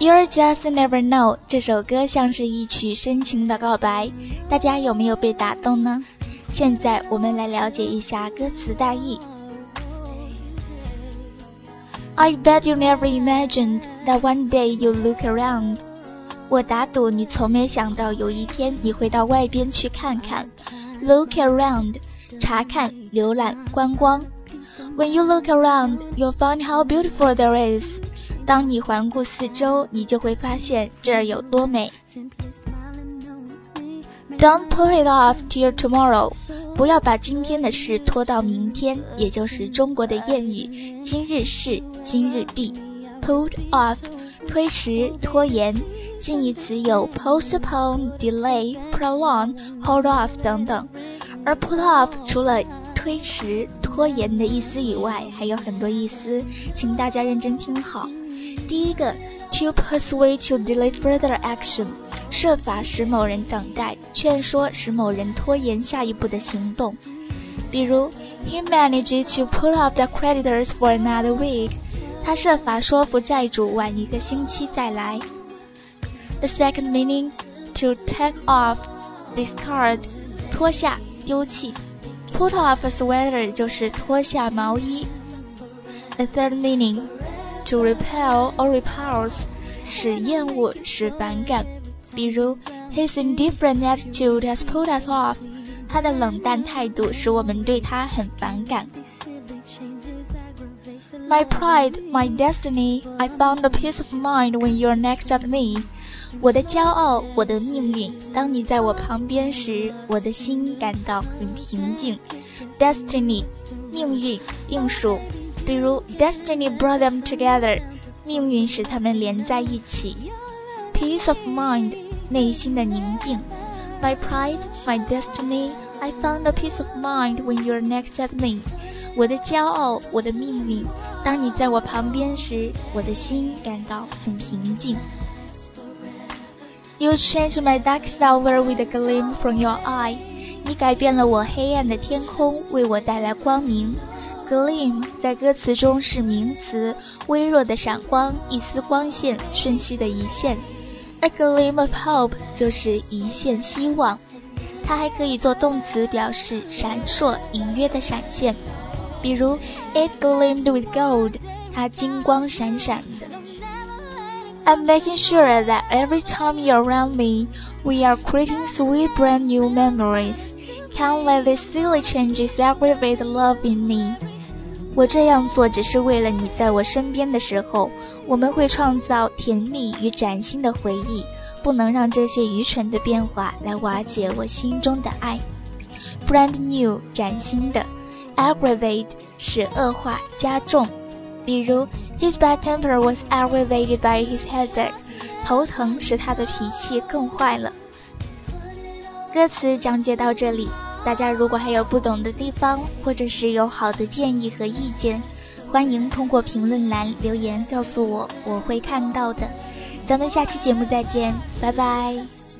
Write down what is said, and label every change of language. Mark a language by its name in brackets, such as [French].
[Chinese] Just Never Know 这首歌像是一曲深情的告白，大家有没有被打动呢？现在我们来了解一下歌词大意。 [English] I bet you never imagined that one day you look around. [Chinese] 我打赌你从没想到有一天你会到外边去看看。 [English] Look around, [Chinese] 查看、浏览、观光。 [English] When you look around, you'll find how beautiful there is. [Chinese] 当你环顾四周，你就会发现这儿有多美。 [English] Don't put it off till tomorrow. [Chinese] 不要把今天的事拖到明天，也就是中国的谚语，今日事今日毕。 Put off, 推迟拖延。近义词有 postpone, delay, prolong, hold off 等等。而 put off 除了推迟拖延的意思以外，还有很多意思，请大家认真听好。第一个 [English] to persuade to delay further action， [Chinese] 设法使某人等待，劝说使某人拖延下一步的行动。比如 [English] he managed to pull off the creditors for another week， [Chinese] 他设法说服债主晚一个星期再来。 [English] The second meaning to take off, discard， [Chinese] 脱下、丢弃。 [English] Put off a sweater 就是脱下毛衣。 The third meaningTo repel or repulse, [Chinese] 使厌恶、使反感。比如 [English] His indifferent attitude has put us off. [Chinese] 他的冷淡态度使我们对他很反感。 [English] My pride, my destiny, I found a peace of mind when you're next at me. [Chinese] 我的骄傲、我的命运，当你在我旁边时，我的心感到很平静。 Destiny, 命运、定数。比如 [English] Destiny brought them together， [Chinese] 命运使他们连在一起。 [English] Peace of mind， [Chinese] 内心的宁静。 [English] My pride, my destiny, I found a peace of mind when you're next at me。 [Chinese] 我的骄傲、我的命运，当你在我旁边时，我的心感到很平静。 [English] You changed my dark silver with a gleam from your eye。 [Chinese] 你改变了我黑暗的天空，为我带来光明。 Gleam 在歌词中是名词，微弱的闪光，一丝光线，瞬息的一线。 [English] A gleam of hope [Chinese] 就是一线希望。它还可以做动词，表示闪烁、隐约的闪现。比如 [English] It gleamed with gold， [Chinese] 它金光闪闪的。 [English] I'm making sure that every time you're around me， we are creating sweet brand new memories。 Can't let these silly changes aggravate the love in me。 [Chinese] 我这样做只是为了你在我身边的时候，我们会创造甜蜜与崭新的回忆，不能让这些愚蠢的变化来瓦解我心中的爱。 [English] Brand new， [Chinese] 崭新的。 [English] Aggravate， [Chinese] 使恶化、加重。 [English] 比如 His bad temper was aggravated by his headache， [Chinese] 头疼使他的脾气更坏了。歌词讲解到这里，大家如果还有不懂的地方，或者是有好的建议和意见，欢迎通过评论栏留言告诉我，我会看到的。咱们下期节目再见，拜拜。